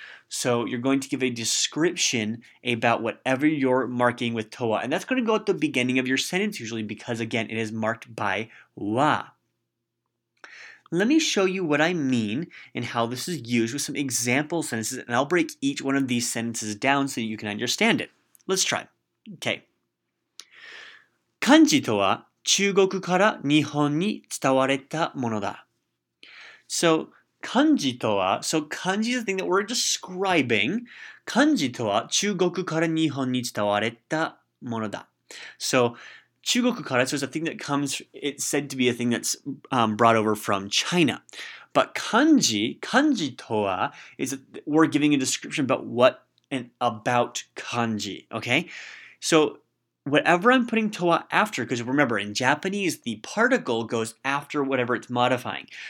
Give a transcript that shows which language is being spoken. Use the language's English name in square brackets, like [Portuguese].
[English] So you're going to give a description about whatever you're marking with towa, and that's going to go at the beginning of your sentence usually because, again, it is marked by wa. Let me show you what I mean and how this is used with some example sentences, and I'll break each one of these sentences down so you can understand it. Let's try. Okay. [Japanese] 漢字 to wa 中国 から 日本 に 伝わった もの だ. [English] So [Japanese] 漢字 to wa, [English] so 漢字 is the thing that we're describing. [Japanese] 漢字 to wa 中国 から 日本 に 伝わった もの だ. [English] So [Japanese] 中国 から, [English] so it's a thing that comes, it's said to be a thing that's brought over from China. But [Japanese] 漢字 to wa [English] is, we're giving a description about what and about 漢字, okay? So whatever I'm putting to wa after, because remember, in Japanese, the particle goes after whatever it's modifying.